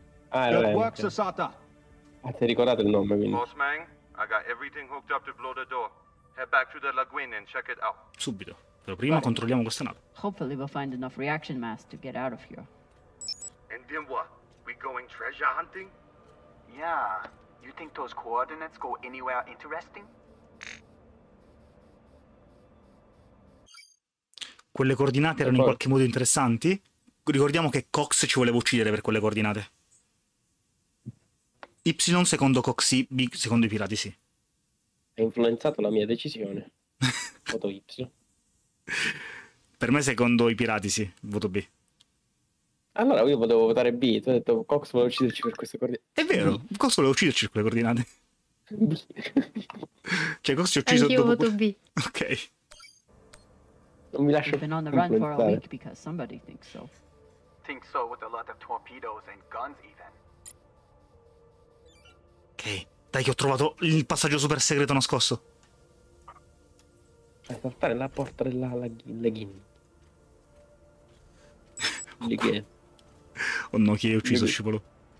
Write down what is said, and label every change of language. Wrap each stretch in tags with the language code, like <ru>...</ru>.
<it>Ah, è Ryan. Ah, ti hai ricordato il nome, quindi.</it> <en>Boss Mang, I got everything hooked up to blow the door. Head back to the lagoon and check it out.</en> <it>Subito. Però prima controlliamo questa nave.</it> <en>Hopefully we'll find enough reaction mass to get out of here. And then what? We going treasure hunting? Yeah. You think those coordinates go anywhere interesting?</en> <it>Quelle coordinate erano in qualche modo interessanti? Ricordiamo che Cox ci voleva uccidere per quelle coordinate. Y secondo Cox, sì, B secondo i pirati, sì. Ha influenzato la mia decisione. Voto Y. Per me secondo i pirati, sì. Voto B. Allora io volevo votare B. Tu hai detto Cox vuole ucciderci per queste coordinate. È vero, Cox vuole ucciderci per quelle coordinate. B. Cioè Cox ci ha ucciso anch'io dopo... Anch'io voto B. Ok. Non mi lascio influenzare.</it> <en>Because somebody thinks so. Think so with a lot of torpedoes and guns even.</en> <it>Ok, dai che ho trovato il passaggio super segreto nascosto. Fai saltare la porta della Leggin. Leggin. Oh no, chi hai ucciso Scivolo?</it>